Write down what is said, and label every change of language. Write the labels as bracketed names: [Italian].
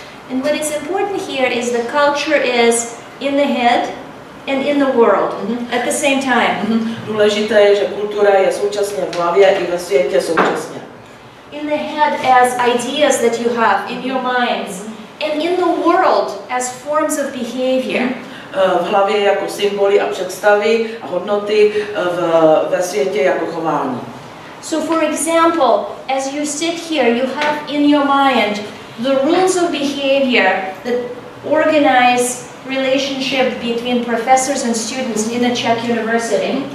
[English] And what is important here is the culture is in the head and in the world at the same time. [Czech] Důležité je, že kultura je současně v hlavě i ve světě současně. [English] In the head as ideas that you have in your minds and in the world as forms of behavior. [Czech] V hlavě jako symboly a představy a hodnoty, ve světě jako chování. [English] So for example, as you sit here, you have in your mind the rules of behavior that organize relationship between professors and students in a Czech university.